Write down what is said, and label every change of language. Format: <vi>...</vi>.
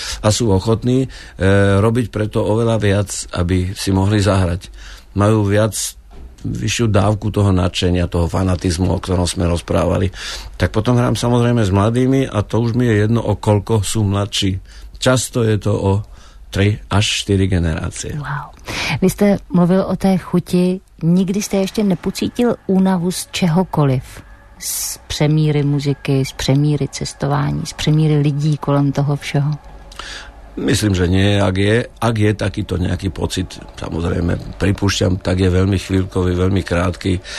<sk>A sú ochotní robiť preto oveľa viac, aby si mohli zahrať. Majú viac vyššiu dávku toho nadšenia, toho fanatizmu, o ktorom sme rozprávali. Tak potom hrám samozrejme s mladými a to už mi je jedno, o koľko sú mladší. Často je to o 3 až 4 generácie.</sk> <cs>Wow. Vy ste mluvil o té chuti. Nikdy ste ešte nepocítil únavu z čehokoliv? Z přemíry muziky, z přemíry cestování, z přemíry lidí kolem toho všeho?</cs> <sk>Myslím, že nie. Ak je takýto nejaký pocit, samozrejme, pripúšťam, tak je veľmi chvíľkový, veľmi krátky.</sk>